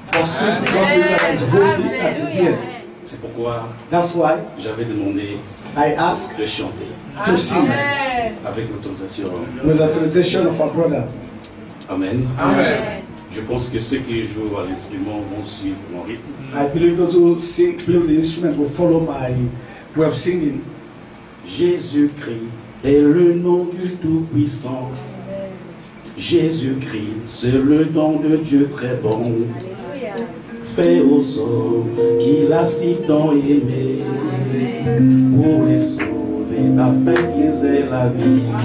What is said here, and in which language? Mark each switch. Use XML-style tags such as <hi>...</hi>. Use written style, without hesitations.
<fr>Parce que la joie est là. C'est pourquoi</fr> <en>that's why</en> <fr>j'avais demandé</fr> <en>I ask</en> <fr>de chanter.</fr> <en>To sing. Amen.</en> <fr>Avec l'autorisation.</fr> <en>With authorization of our brother. Amen. Amen.</en> <fr>Je pense que ceux qui jouent à l'instrument vont suivre mon rythme.</fr> <en>I believe those who sing, play the instrument will follow my way of singing.</en> <fr>Jésus-Christ est le nom du Tout-Puissant. Jésus-Christ, c'est le nom de Dieu très bon. Fais aux hommes qu'il a si tant aimé pour les sauver afin qu'ils aient la vie.</fr>